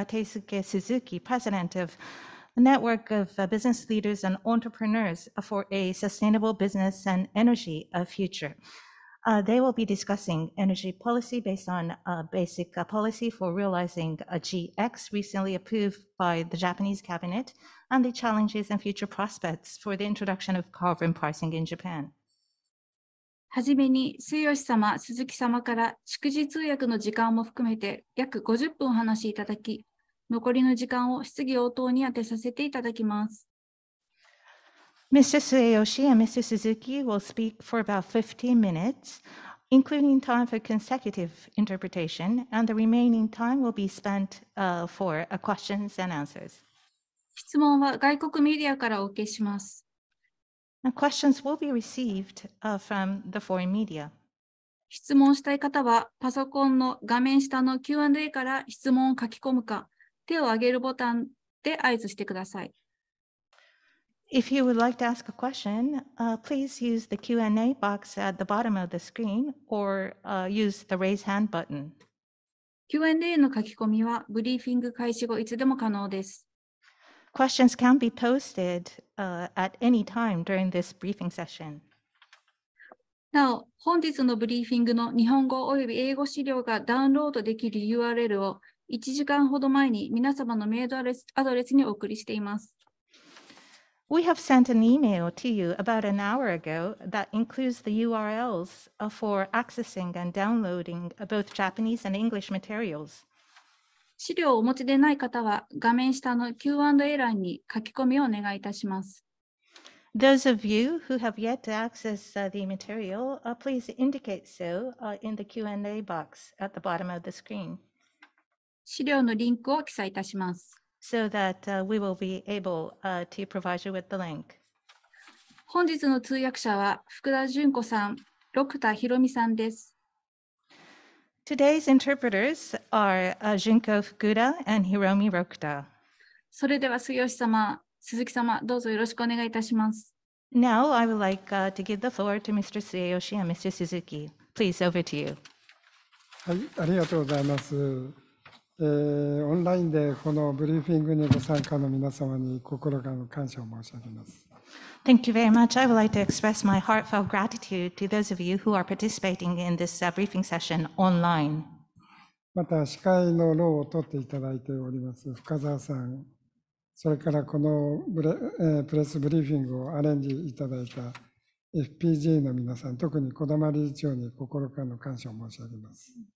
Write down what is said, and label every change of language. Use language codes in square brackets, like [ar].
[en] Teisuke Suzuki, president of the Network of Business Leaders and Entrepreneurs for a Sustainable Business and Energy Future. They will be discussing energy policy based on a basic policy for realizing a GX recently approved by the Japanese cabinet and the challenges and future prospects for the introduction of carbon pricing in Japan. [ja] はじめに末吉様、鈴木様から逐次通訳の時間も含めて約50分お話しいただき、残りの時間を質疑応答に充てさせていただきます。 [en] Mr. Seiyoshi and Mr. Suzuki will speak for about 15 minutes, including time for consecutive interpretation, and the remaining time will be spent for questions and answers. [ja] 質問は外国メディアからお受けします。 [en] And questions will be received from the foreign media. [ja] 質問したい方はパソコンの画面下の Q&A から質問を書き込むか、手を挙げるボタンで合図してください。 [en] If you would like to ask a question, please use the Q&A box at the bottom of the screen or use the raise hand button. [ja] Q&A の書き込みはブリーフィング開始後いつでも可能です。 [en] Questions can be posted at any time during this briefing session. [ja] なお、本日のブリーフィングの日本語および英語資料がダウンロードできる URL を1時間ほど前に皆様のメールアドレスにお送りしています。 [en] We have sent an email to you about an hour ago that includes the URLs for accessing and downloading both Japanese and English materials. [ja] 資料をお持ちでない方は画面下の Q&A 欄に書き込みをお願いいたします。 [en] Those of you who have yet to access the material, please indicate so in the Q&A box at the bottom of the screen. [ja] 資料のリンクを記載いたします。 [en] So that we will be able to provide you with the link. [ja] 本日の通訳者は福田純子さん、六田博美さんです。 [en] Today's interpreters are Junko Fukuda and Hiromi Rokuta. [ja] それでは末吉様、鈴木様、どうぞよろしくお願いいたします。 [en] Now I would like to give the floor to Mr. Seiyoshi and Mr. Suzuki. Please, over to you. [ja] はい、ありがとうございます。オンラインでこのブリーフィングにご参加の皆様に心からの感謝を申し上げます。 [en] Thank you very much. I would like to express my heartfelt gratitude to those of you who are participating in this briefing session online. [ja] また司会のローを取っていただいております深澤さん、それからこのプレスブリーフィングをアレンジいただいた FPJ の皆さん、特に小玉理事長に心からの感謝を申し上げます。